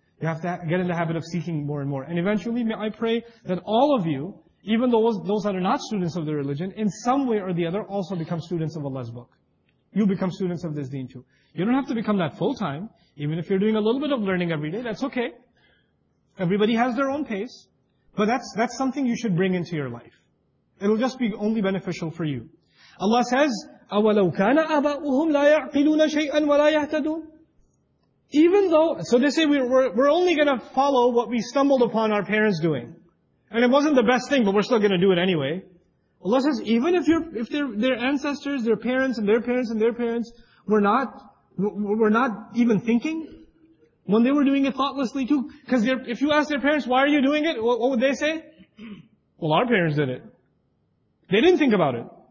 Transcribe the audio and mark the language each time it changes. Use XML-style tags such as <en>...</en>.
<en>You have to get in the habit of seeking more and more. And eventually, may I pray that all of you, even those that are not students of the religion, in some way or the other, also become students of Allah's book. You become students of this deen too. You don't have to become that full-time. Even if you're doing a little bit of learning every day, that's okay. Everybody has their own pace. But that's something you should bring into your life. It'll just be only beneficial for you. Allah says,</en> <ar>أَوَلَوْ كَانَ أَبَاؤُهُمْ لَا يَعْقِلُونَ شَيْئًا وَلَا يَهْتَدُونَ.</ar> <en>Even though, so they say we're only going to follow what we stumbled upon our parents doing. And it wasn't the best thing, but we're still going to do it anyway. Allah says, even if their ancestors, their parents, and their parents, and their parents were not even thinking, when they were doing it thoughtlessly too, because if you ask their parents, why are you doing it, what would they say? Well, our parents did it. They didn't think about it.</en>